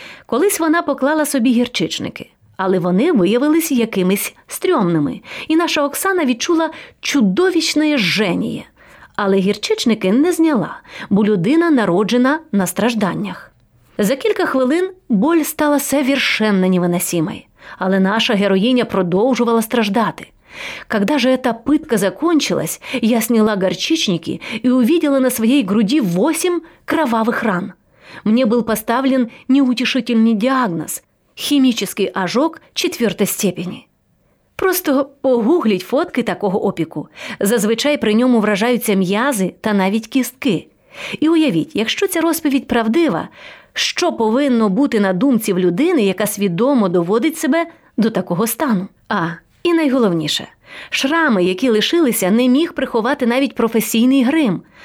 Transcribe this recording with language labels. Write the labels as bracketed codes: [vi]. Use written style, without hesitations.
[uk] Колись вона поклала собі гірчичники, але вони виявились якимись стрьомними, і наша Оксана відчула чудовищне женіє. Але гірчичники не зняла, бо людина народжена на стражданнях. За кілька хвилин [ru] боль стала совершенно невыносимой, [uk] але наша героїня продовжувала страждати. [ru] Когда же эта пытка закончилась, я сняла горчичники и увидела на своей груди 8 кровавых ран. Мне был поставлен неутешительный диагноз – химический ожог 4-й степени. [uk] Просто погуглить фотки такого опеку. Зазвичай при ньому вражаються м'язи та навіть кістки. І уявіть, якщо ця розповідь правдива, що повинно бути на думці в людини, яка свідомо доводить себе до такого стану? А… І найголовніше, шрами, які лишилися, не міг приховати навіть професійний грим.